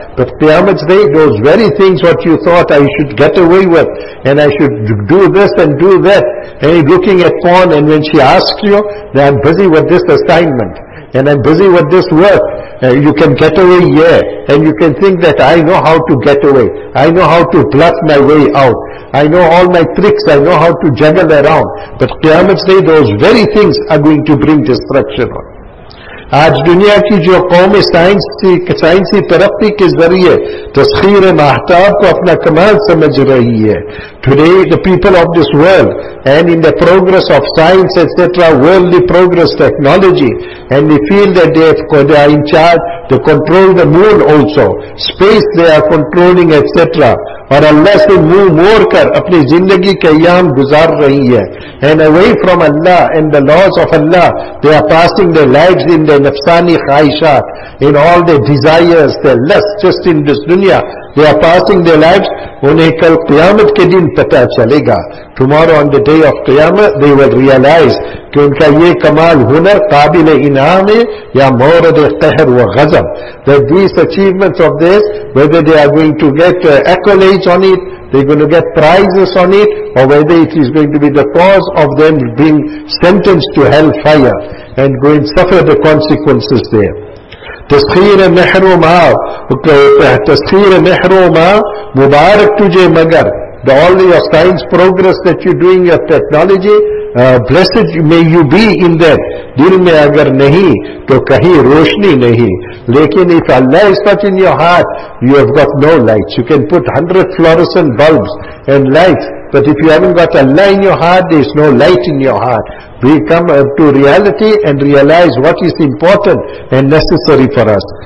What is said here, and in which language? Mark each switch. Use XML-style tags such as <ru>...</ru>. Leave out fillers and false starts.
<en>But Qiyamah Day, those very things what you thought I should get away with, and I should do this and do that, and looking at porn, and when she asks you, that I'm busy with this assignment, and I'm busy with this work, you can get away here, and you can think that I know how to get away, I know how to bluff my way out, I know all my tricks, I know how to juggle around. But Qiyamah Day, those very things are going to bring destruction on.</en> <ur>آج دنیا کی جو قوم سائنسی ترقی کے ذریعے تسخیر مہتاب کو اپنا کمال سمجھ رہی ہے.</ur> <en>Today the people of this world, and in the progress of science etc., worldly progress, technology, and they feel that they are in charge to control the moon also, space they are controlling etc.,</en> <ur>اور اللہ سے منہ موڑ کر اپنی زندگی کے ایام گزار رہی ہے.</ur> <en>And away from Allah and the laws of Allah, they are passing their lives in their nafsani khaishat, in all their desires, their lusts, just in this dunya. They are passing their lives.</en> <ur>انہیں کل قیامت کے دن پتا چلے گا.</ur> <en>Tomorrow on the day of Qayamat, they will realize</en> <ur>کہ ان کا یہ کمال ہنر قابل انعام ہے یا مورد قہر و غضب.</ur> <en>That these achievements of this, whether they are going to get accolades on it, they're going to get prizes on it, or whether it is going to be the cause of them being sentenced to hellfire and going to suffer the consequences there.</en> <ur>تسخیر محرومہ مبارک تجھے مگر.</ur> <en>All your science progress that you're doing, your technology, blessed may you be in that.</en> <ur>دل میں اگر نہیں تو کہیں روشنی نہیں. لیکن</ur> <en>if Allah is not in your heart, you have got no lights. You can put 100 fluorescent bulbs and lights, but if you haven't got Allah in your heart, there is no light in your heart. We come to reality and realize what is important and necessary for us.</en>